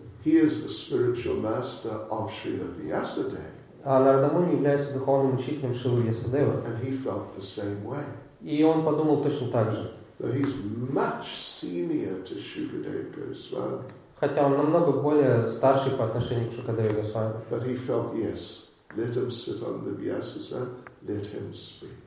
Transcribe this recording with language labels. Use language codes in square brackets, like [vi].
[en] He is the spiritual master of Srila Vyasadeva. [ru] А Нарада Муни является духовным учителем Шрилы Ясадевы. [en] And he felt the same way. [ru] И он подумал точно так же. [en] So he's much senior to Shukadeva Goswami. [ru] Хотя он намного более старший по отношению к Шукадеве Госвами. [en] But he felt, yes, let him sit on the Vyasasana, let him speak.